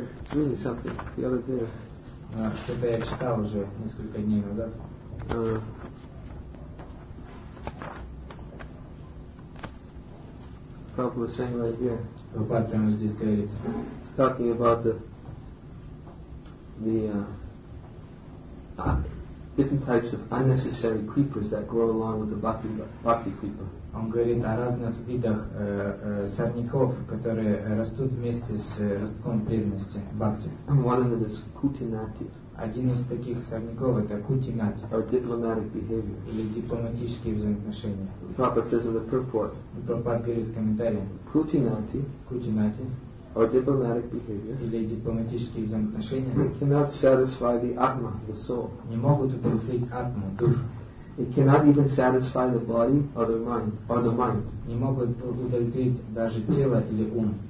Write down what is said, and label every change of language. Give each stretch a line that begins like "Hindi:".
Russian: Что-то я читал уже несколько дней назад.
English: Probably the same idea.
Russian: Прабхупада прямо здесь говорит.
English: He's talking about the different types of unnecessary creepers that grow along with the bhakti creeper.
Russian: Он говорит о разных видах сорняков, которые растут вместе с ростком преданности, бхакти.
English: One of them is kutinati.
Russian: Один из таких сорняков это кутинати.
English: Or diplomatic behavior.
Russian: Или дипломатические взаимоотношения.
English: Prabhupada says in the purport.
Russian: Prabhupada говорит в комментарии.
English: Kutinati.
Russian: Kutinati.
English: Or diplomatic behavior.
Russian: Или дипломатические взаимоотношения.
English: Cannot satisfy the atma, the soul.
Russian: Не могут удовлетворить атму, душу.
English: It cannot even satisfy the body or the mind. Or the mind.
Russian: Не могут удовлетворить даже тело или ум.